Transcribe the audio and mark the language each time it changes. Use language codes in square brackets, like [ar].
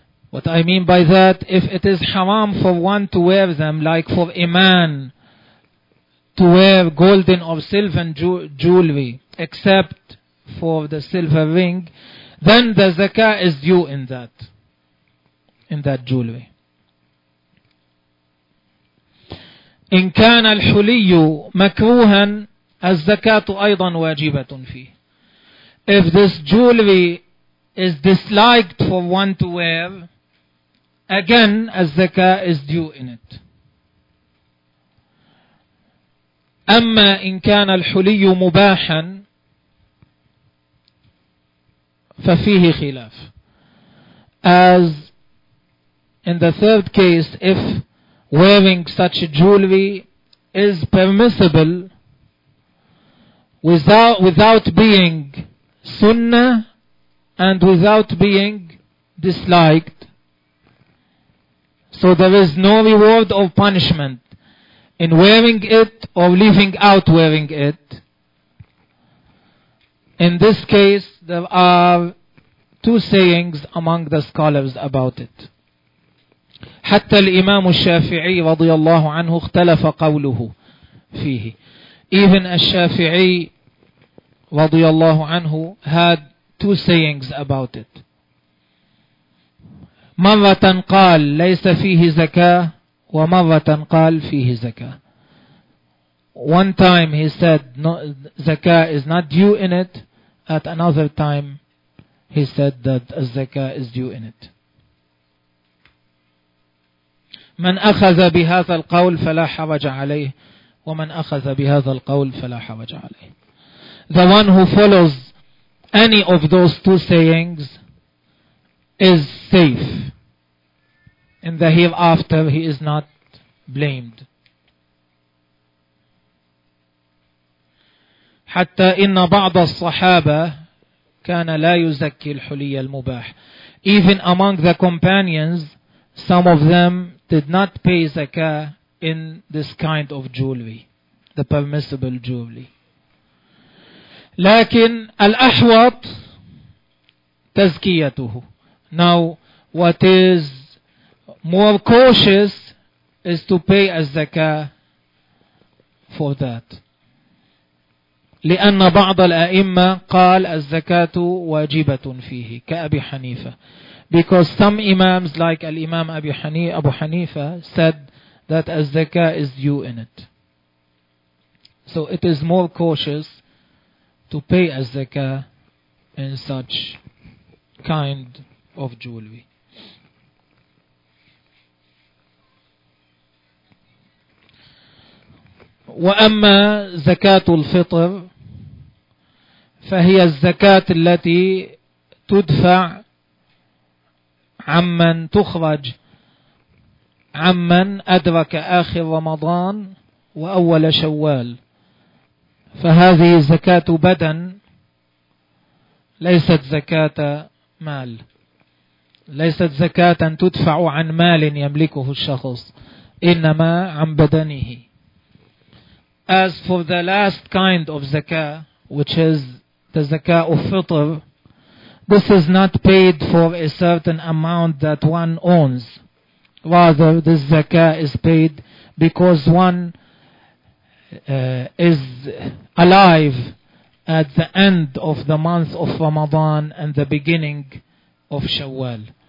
[en] What I mean by that, if it is haram for one to wear them, like for a man to wear golden or silver jewelry except for the silver ring, then the zakah is due in that jewelry. [ar] إن كان الحلي مكروها الزكاة أيضا واجبة فيه. [en] If this jewelry is disliked for one to wear, again الزكاه is due in it. [ar] أما إن كان الحلي مباحا ففيه خلاف. [en] As in the third case, if wearing such jewelry is permissible without being sunnah and without being disliked, so there is no reward or punishment in wearing it or leaving out wearing it, in this case there are two sayings among the scholars about it. [ar] حتى الإمام الشافعي رضي الله عنه اختلف قوله فيه. [en] Even الشافعي [ar] رضي الله عنه [en] had two sayings about it. [ar] مرة قال ليس فيه زكاة ومرة قال فيه زكاة. [en] One time he said no, زكاة is not due in it. At another time he said that الزكاة is due in it. [ar] من أخذ بهذا القول فلا حرج عليه ومن أخذ بهذا القول فلا حرج عليه. [en] The one who follows any of those two sayings is safe. In the hereafter, he is not blamed. [ar] حتى إن بعض الصحابة كان لا يزكي الحلي المباح. [en] Even among the companions, some of them did not pay zakah in this kind of jewelry, the permissible jewelry. [ar] لكن الأحوط تزكيته. [en] Now, what is more cautious is to pay a zakah for that. [ar] لأن بعض الأئمة قال الزكاة واجبة فيه كأبي حنيفة. [en] Because some imams like الإمام أبو حنيفة said that الزكاة is due in it. So it is more cautious to pay الزكاة in such kind of jewelry. [ar] وأما زكاة الفطر فهي الزكاة التي تدفع عمن تخرج عمن أدرك آخر رمضان وأول شوال، فهذه زكاة بدن ليست زكاة مال، ليست زكاة تدفع عن مال يملكه الشخص، إنما عن بدنه. [en] As for the last kind of zakah, which is the zakah of fitr, this is not paid for a certain amount that one owns. Rather, this zakah is paid because one is alive at the end of the month of Ramadan and the beginning of Shawwal.